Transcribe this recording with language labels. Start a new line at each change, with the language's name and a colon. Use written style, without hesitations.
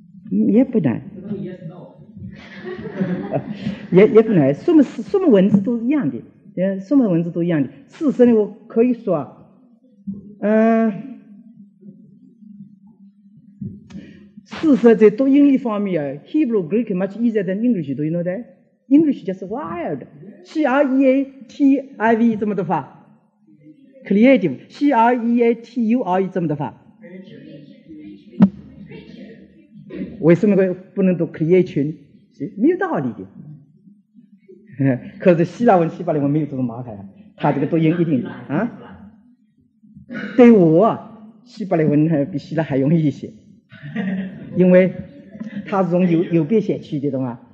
Chinese: 也不难。也不难，什么文字都一样的，什么文字都一样的。事实呢，我可以说，事实在读英语方面啊 ，
English: Hebrew Greek much easier than English， do you know that？ English just wild, C R E A T I V
Chinese: 怎么的发
English: ？Creative, C R E A T U R E 怎么的发？Creature, creature,
Chinese: creature。为什么不能读 creation？ 是没有道理的。可是希腊文、西班牙文没有这种麻烦，它这个读音一定啊。对我，西班牙文比希腊还容易一些，因为它是从右边写去的，懂吗？